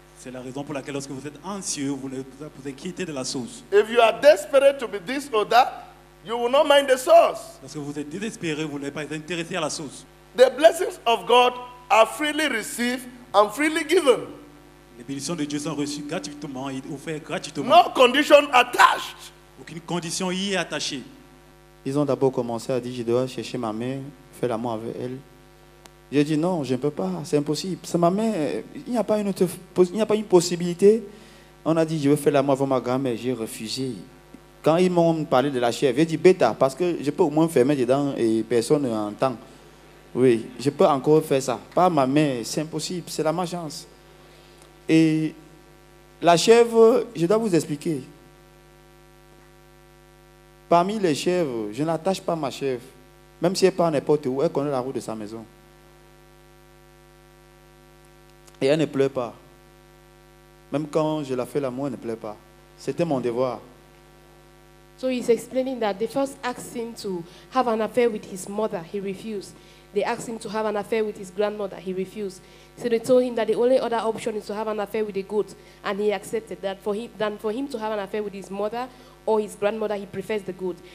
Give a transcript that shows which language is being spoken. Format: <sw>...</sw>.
<fr>C'est la raison pour laquelle lorsque vous êtes anxieux, vous ne vous inquiétez de la source.</fr> <en>If you are desperate to be this or that, you will not mind the source.</en> <fr>Parce que vous êtes désespéré, vous n'êtes pas intéressé à la source.</fr> <en>The blessings of God are freely received and freely given.</en> <fr>Les bénédictions de Dieu sont reçues gratuitement et offertes gratuitement.</fr> <en>No condition attached.</en> <fr>Aucune condition y est attachée. Ils ont d'abord commencé à dire, je dois chercher ma mère, faire l'amour avec elle. J'ai dit, non, je ne peux pas, c'est impossible. C'est ma mère, il n'y a pas une autre, il n'y a pas une possibilité. On a dit, je veux faire l'amour avec ma grand-mère, j'ai refusé. Quand ils m'ont parlé de la chèvre, j'ai dit bêta, parce que je peux au moins fermer dedans et personne n'entend. Oui, je peux encore faire ça. Pas ma mère, c'est impossible, c'est la malchance. Et la chèvre, je dois vous expliquer. Parmi les chèvres, je n'attache pas ma chèvre. Même si elle part n'importe où, elle connaît la route de sa maison. Et elle ne pleure pas. Même quand je la fais l'amour, elle ne pleure pas. C'était mon devoir.</fr> <en>So he's explaining that they first asked him to have an affair with his mother. He refused. They asked him to have an affair with his grandmother. He refused. So they told him that the only other option is to have an affair with a goat. And he accepted that for him to have an affair with his mother or his grandmother, he prefers the goat.</en>